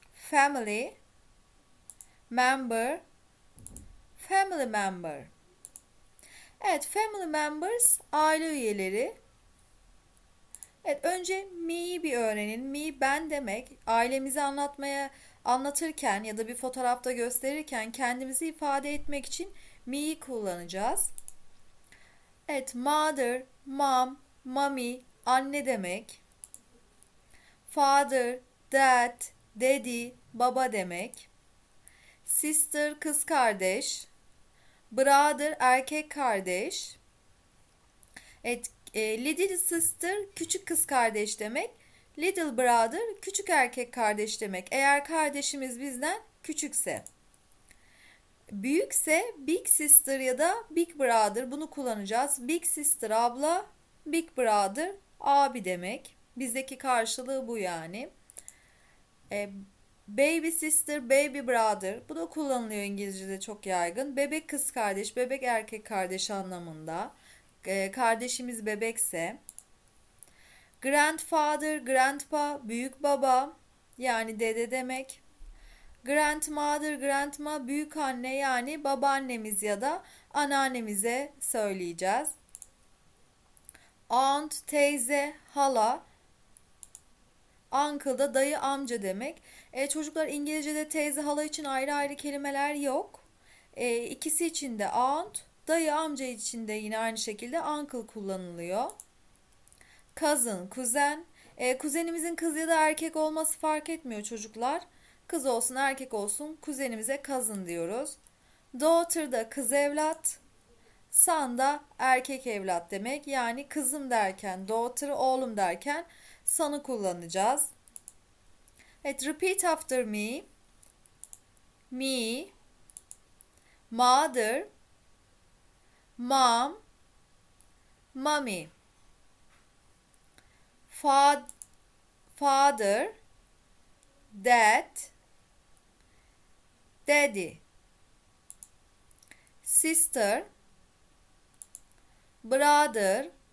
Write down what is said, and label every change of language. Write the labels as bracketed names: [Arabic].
[English] Family, member, family member. [Turkish] Evet, family members aile üyeleri. Evet, önce me'yi bir öğrenin. Me ben demek. Ailemizi anlatırken ya da bir fotoğrafta gösterirken kendimizi ifade etmek için me'yi kullanacağız. Evet, mother, mom, mommy anne demek. Father, dad, daddy baba demek. Sister kız kardeş. Brother erkek kardeş. Evet, little sister küçük kız kardeş demek. Little brother küçük erkek kardeş demek. Eğer kardeşimiz bizden küçükse. Büyükse big sister ya da big brother bunu kullanacağız. Big sister abla, big brother abi demek. Bizdeki karşılığı bu yani. Baby sister, baby brother. Bu da kullanılıyor İngilizce'de çok yaygın. Bebek kız kardeş, bebek erkek kardeş anlamında. Kardeşimiz bebekse. Grandfather, grandpa, büyük baba. Yani dede demek. Grandmother, grandma, büyük anne. Yani babaannemiz ya da anneannemize söyleyeceğiz. Aunt, teyze, hala. Uncle da dayı amca demek. Çocuklar İngilizce'de teyze hala için ayrı ayrı kelimeler yok. İkisi için de aunt, dayı amca için de yine aynı şekilde uncle kullanılıyor. Cousin, kuzen. Kuzenimizin kız ya da erkek olması fark etmiyor çocuklar. Kız olsun erkek olsun kuzenimize cousin diyoruz. Daughter da kız evlat. Son da erkek evlat demek. Yani kızım derken, daughter oğlum derken son'u kullanacağız. Evet, [English] repeat after me. Me, mother, mom, mommy, father, dad, daddy, sister, brother,